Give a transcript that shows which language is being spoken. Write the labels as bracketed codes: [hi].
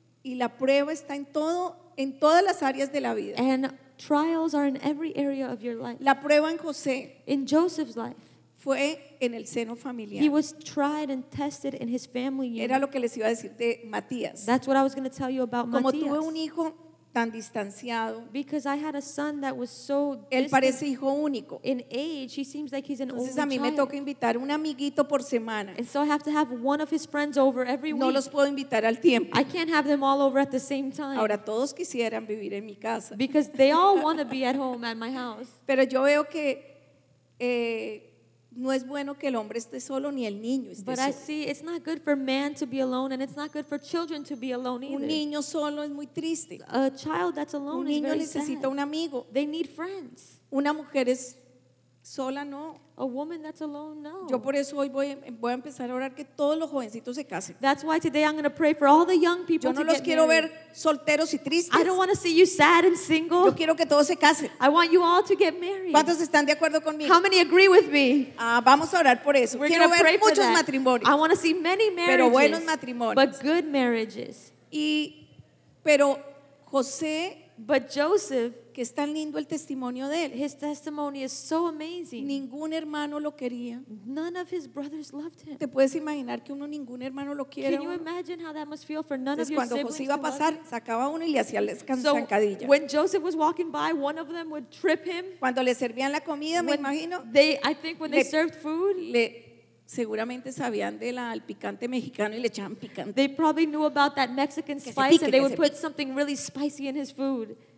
[es] Y la prueba está en todo, en todas las áreas de la vida. [en] And trials are in every area of your life. [es] La prueba en José. [en] In Joseph's life. [es] Fue en el seno familiar. [en] He was tried and tested in his family unit. [es] Era lo que les iba a decir de Matías. [en] That's what I was going to tell you about [es] Como [en] Matías. [es] Como tuve un hijo tan distanciado. [en] Because I had a son that was so distant. [es] Él parece hijo único. [en] In age, he seems like he's an [es] Entonces, [en] only child. [es] Entonces a mí [en] child. [es] Me toca invitar un amiguito por semana. [en] And so I have to have one of his friends over every [es] no [en] week. [es] No los puedo invitar al tiempo. [en] I can't have them all over at the same time. [es] Ahora todos quisieran vivir en mi casa. [en] Because they all want to be at home at my house. [es] Pero yo veo que no es bueno que el hombre esté solo ni el niño esté solo. [en] But I see it's not good for man to be alone and it's not good for children to be alone either. [es] Un niño solo es muy triste. [en] A child that's alone is very sad. [es] Un niño necesita un amigo. [en] They need friends. [es] Una mujer es sola no. [en] A woman that's alone no. [es] Yo por eso hoy voy a empezar a orar que todos los jovencitos se casen. [en] That's why today I'm going to pray for all the young people to get married. [es] Yo no los quiero ver solteros y tristes. [en] I don't want to see you sad and single. [es] Yo quiero que todos se casen. [en] I want you all to get married. [es] ¿Cuántos están de acuerdo conmigo? [en] How many agree with me? [es] Vamos a orar por eso. [en] We're [es] quiero ver muchos matrimonios. [en] I want to see many marriages. [es] Pero buenos matrimonios. [en] But good marriages. [es] Y pero José, [en] but Joseph, [es] que es tan lindo el testimonio de él. [en] His testimony is so amazing. [es] Ningún hermano lo quería. [en] None of his brothers loved him. [es] ¿Te puedes imaginar que uno ningún hermano lo quiere? [en] Can you imagine how that must feel for none [es] Entonces, [en] of your siblings [es] cuando José iba a pasar, sacaba uno y le hacía la zancadilla. [en] So, when Joseph was walking by, one of them would trip him. [es] Cuando le servían la comida, [en] when [es] me imagino. [en] They, I think when they served food, [es] seguramente sabían de la al picante mexicano y le echaban picante. [en] They probably knew about that Mexican spice [es] pique, [en] and they would put something really spicy in his food.